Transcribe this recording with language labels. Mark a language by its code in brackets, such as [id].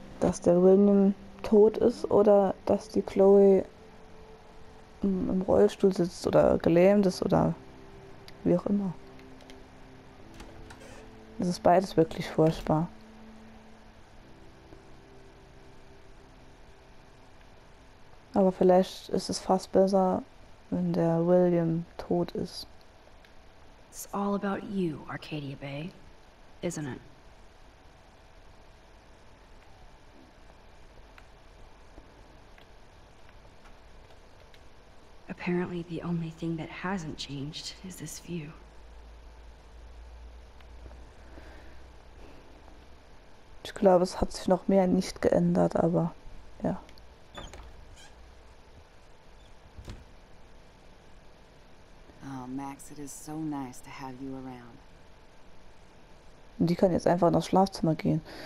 [de] Dass der William tot ist oder dass die Chloe im Rollstuhl sitzt oder gelähmt ist oder wie auch immer. Es ist beides wirklich furchtbar. Aber vielleicht ist es fast besser, wenn der William tot ist. [en] It's all about you, Arcadia Bay, isn't it? Apparently, the only thing that hasn't changed is this view. [de] Ich glaube, es hat sich noch mehr nicht geändert, aber ja. [en] Oh, Max, it is so nice to have you around. [de] Und die kann jetzt einfach ins Schlafzimmer gehen.